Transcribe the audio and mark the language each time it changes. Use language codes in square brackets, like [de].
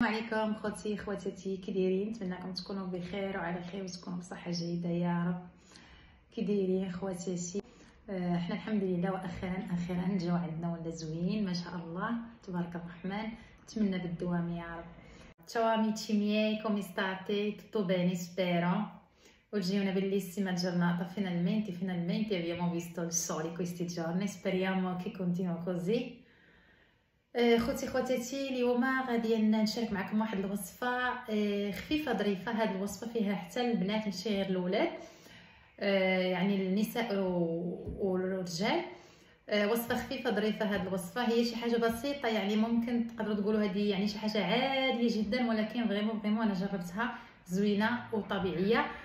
[ar] السلام عليكم خوتي اخواتاتي، كي دايرين؟ نتمنى تكونوا بخير وعلى خير وتكونوا بصحه جيده يا رب. كي دايرين اخواتاتي؟ احنا الحمد لله واخيرا اخيرا الجو عندنا ولا زوين ما شاء الله تبارك الرحمن، نتمنى بالدوام يا رب. [it] تشاو اميتشي ميي، كومي ستاتي؟ توتو بيني سبيرو. Oggi è una bellissima giornata, finalmente, finalmente abbiamo visto il sole questi giorni, speriamo che continui così. [ar] خوتي خواتاتي، اليوم غادي نشارك معكم واحد الوصفة خفيفة ظريفة. هذه الوصفة فيها حتى البنات ماشي غير الأولاد، يعني النساء والرجال. وصفة خفيفة ظريفة، هذه الوصفة هي شي حاجة بسيطة، يعني ممكن تقدروا تقولوا هذه يعني شي حاجة عادية جدا، ولكن فريمون فريمون أنا جربتها زوينة وطبيعية.